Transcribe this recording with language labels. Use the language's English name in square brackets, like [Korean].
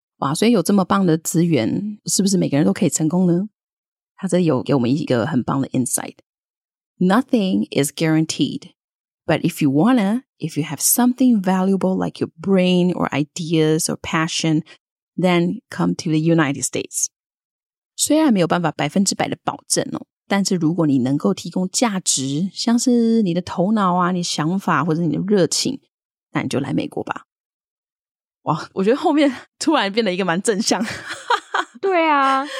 [Chinese] 哇，所以有这么棒的资源，是不是每个人都可以成功呢？它这里有给我们一个很棒的 insight。 [English] Nothing is guaranteed, but if you wanna, if you have something valuable like your brain or ideas or passion, then come to the United States. [Chinese] 虽然没有办法百分之百的保证哦，但是如果你能够提供价值，像是你的头脑啊，你想法或者你的热情，那你就来美国吧。哇，我觉得后面突然变得一个蛮正向。对啊，